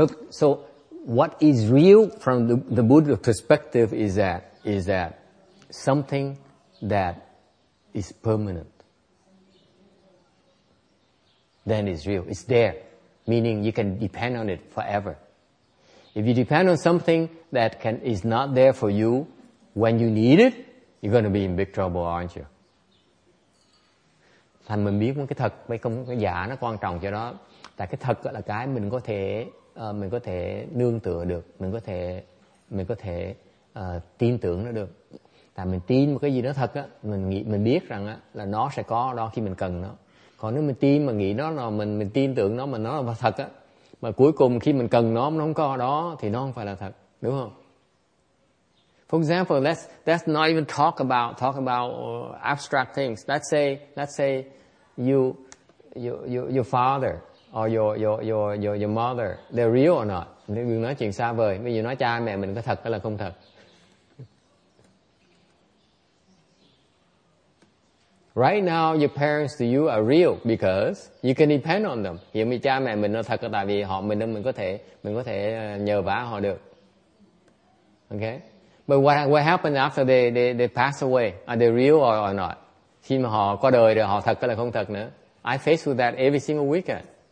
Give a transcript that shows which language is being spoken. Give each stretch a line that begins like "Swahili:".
English: So what is real from the Buddha perspective is that something that is permanent, then it's real. It's there, meaning you can depend on it forever. If you depend on something that is not there for you when you need it, you're going to be in big trouble, aren't you?
Vietnamese: Thành mình biết cái thật hay không, cái giả nó quan trọng cho đó. Tại cái thật là cái mình có thể nương tựa được, mình có thể tin tưởng nó được. Tại mình tin một cái gì nó thật á, mình biết rằng á là nó sẽ có đó khi mình cần nó. Còn nếu mình tin mà nghĩ nó là mình tin tưởng nó mà nó là thật á, mà cuối cùng khi mình cần nó không có đó thì nó không phải là thật, đúng không?
English: For example, let's not even talk about abstract things. Let's say your father or your mother, they're real or not?
Vietnamese: Đừng nói chuyện xa vời. Bây giờ nói cha mẹ mình có thật hay là không thật?
English: Right now, your parents to you are real because you can depend on them.
Vietnamese: Hiện bây cha mẹ mình nó thật là tại vì họ mình nên mình có thể nhờ vả họ được. Okay?
English: But what happens after they pass away? Are they real or not?
Vietnamese: Khi mà họ qua đời rồi, họ thật hay là không thật nữa?
English: I face with that every single weekend.